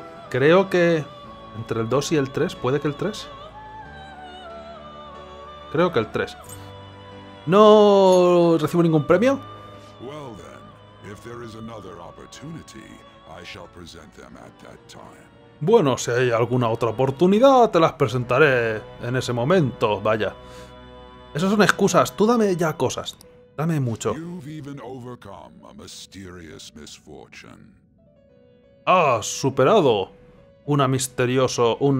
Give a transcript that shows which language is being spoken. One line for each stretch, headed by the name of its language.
Spanish: Creo que... entre el 2 y el 3, ¿puede que el 3? Creo que el 3. ¿No recibo ningún premio? Bueno, entonces, si hay otra oportunidad...
English: I shall present them at that time.
Spanish: Bueno, si hay alguna otra oportunidad, te las presentaré en ese momento, vaya. Esas son excusas, tú dame ya cosas. Dame mucho.
English: You've even overcome a mysterious misfortune.
Spanish: Has superado un misterioso...